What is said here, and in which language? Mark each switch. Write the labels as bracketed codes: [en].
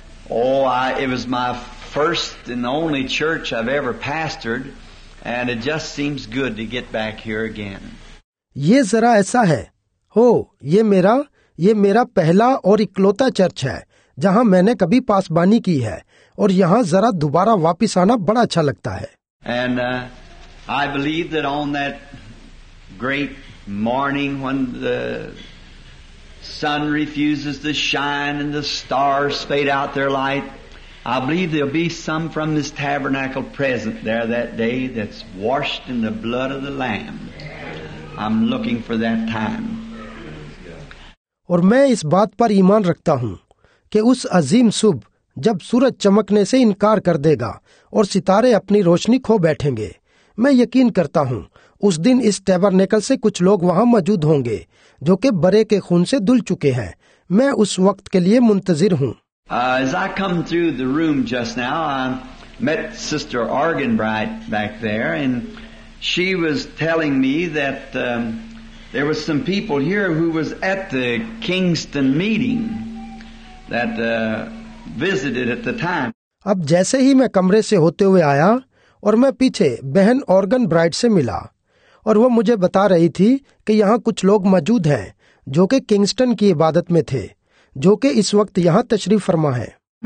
[en] It was my first and only church I've ever pastored, and it just seems good to get back here again. [hi] ये जरा ऐसा है। हो, ये मेरा पहला और इकलौता चर्च है, जहाँ मैंने कभी पासबानी की है, और यहाँ जरा दोबारा वापिस आना बड़ा अच्छा लगता है। [en] And I believe that on that great morning when the sun refuses to shine and the stars fade out their light, I believe there'll be some from this tabernacle present there that day that's washed in the blood of the Lamb. I'm looking for that time. [hi] और मैं इस बात पर ईमान रखता हूँ कि उस अजीम सुबह जब सूरज चमकने से इनकार कर देगा और सितारे अपनी रोशनी खो बैठेंगे, मैं यकीन करता हूँ उस दिन इस टेबरनेकल से कुछ लोग वहाँ मौजूद होंगे जो कि बरे के खून से धुल चुके हैं। मैं उस वक्त के लिए मुंतजिर हूँ। [en] As I come through the room just now, I met Sister Argenbright back there, and she was telling me that there was some people here who was at the Kingston meeting that visited at the time. [hi] अब जैसे ही मैं कमरे से होते हुए आया और मैं पीछे बहन ऑर्गन ब्राइट से मिला और वो मुझे बता रही थी कि यहाँ कुछ लोग मौजूद हैं जो कि किंगस्टन की इबादत में थे, जो कि इस वक्त यहाँ तशरीफ फरमा है।